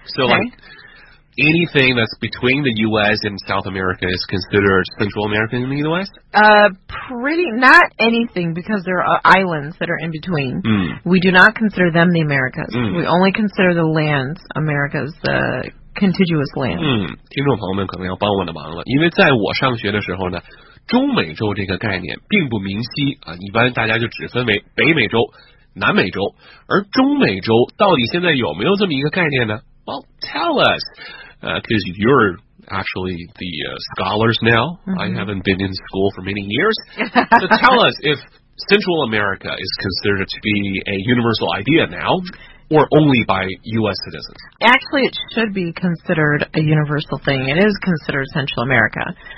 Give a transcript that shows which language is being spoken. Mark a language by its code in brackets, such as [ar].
[en] So, okay. Like... Anything that's between the U.S. and South America is considered Central America in the U.S.? Not anything, because there are islands that are in between. Mm. We do not consider them the Americas. Mm. We only consider the lands Americas, the contiguous lands. [zh] 听众朋友们可能要帮我的忙了，因为在我上学的时候呢，中美洲这个概念并不明晰啊，一般大家就只分为北美洲、南美洲，而中美洲到底现在有没有这么一个概念呢？ [en] Well, tell us, because you're actually the scholars now. Mm-hmm. I haven't been in school for many years. So tell us if Central America is considered to be a universal idea now, or only by U.S. citizens. Actually, it should be considered a universal thing. It is considered Central America.